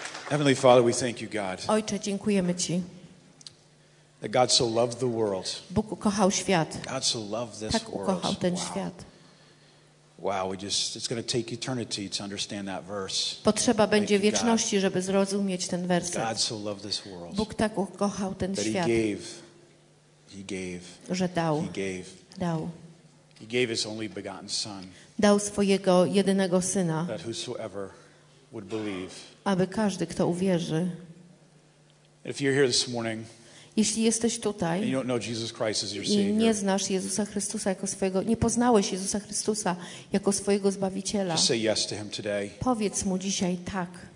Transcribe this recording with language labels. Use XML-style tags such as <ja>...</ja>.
<en>Heavenly Father, we thank you, God.</en> <pl>Ojcze, dziękujemy ci.</pl> <en>That God so loved the world.</en> <pl>Bóg ukochał świat.</pl> <en>God so loved this</en> <pl>tak ukochał</pl> <en>world.</en> <pl>Ten wow. świat.</pl> <en>Wow, it's going to take eternity to understand that verse.</en> <pl>Potrzeba</pl> <en>Thank</en> <pl>będzie wieczności,</pl> <en>God.</en> <pl>Żeby zrozumieć ten werset.</pl> <en>God so loved this world.</en> <pl>Bóg tak ukochał ten</pl> <en>that</en> <pl>świat.</pl> <en>He gave. Że dał. He gave. He gave his only begotten son.</en> <pl>Dał swojego jedynego syna.</pl> <en>That whosoever would believe.</en> <pl>Aby każdy kto uwierzy.</pl> <en>If you're here this morning,</en> <pl>jeśli jesteś tutaj i nie znasz Jezusa Chrystusa jako swojego, nie poznałeś Jezusa Chrystusa jako swojego Zbawiciela, powiedz mu dzisiaj tak.</pl>